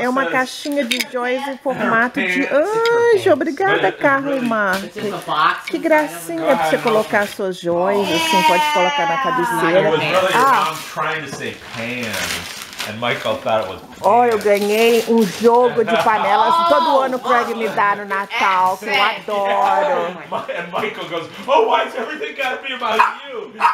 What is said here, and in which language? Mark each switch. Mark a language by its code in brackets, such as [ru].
[pt] É uma caixinha de joias em formato de anjo. Obrigada, Carla e Marco. Que gracinha pra você colocar suas joias. Assim, pode colocar na cabeceira. [en] It was really a mom trying to say pants. And Michael thought it was. [pt] Oh, eu ganhei jogo de panelas. Todo ano o Craig me dá no Natal, que eu adoro. [en] And Michael goes, oh, why is everything gotta be about you?